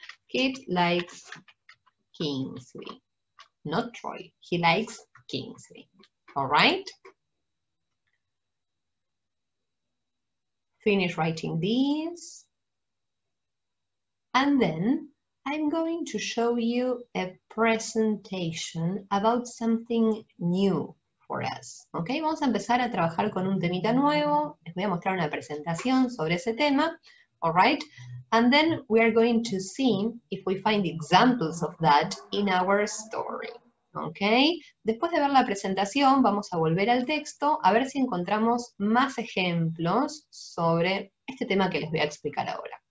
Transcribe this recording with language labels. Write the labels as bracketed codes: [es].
[en] Kit likes Kingsley, not Troy, he likes Kingsley, all right? Finish writing these. And then I'm going to show you a presentation about something new for us. [es] Okay, vamos a empezar a trabajar con un temita nuevo. Les voy a mostrar una presentación sobre ese tema. [en] All right. And then we are going to see if we find examples of that in our story. Okay. [es] Después de ver la presentación, vamos a volver al texto a ver si encontramos más ejemplos sobre este tema que les voy a explicar ahora.